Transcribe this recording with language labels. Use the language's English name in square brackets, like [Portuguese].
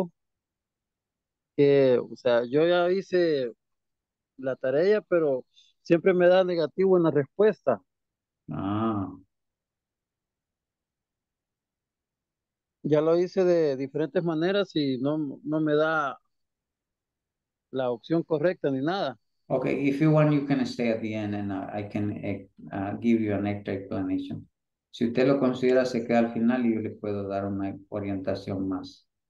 [Spanish] O sea, yo ya hice la tarea, pero siempre me da negativo en la respuesta. Ah. Ya lo hice de diferentes maneras y no me da la opción correcta ni nada. [English] Okay, if you want, you can stay at the end and I can give you an extra explanation. [Spanish] Si usted lo considera, se queda al final y yo le puedo dar una orientación más.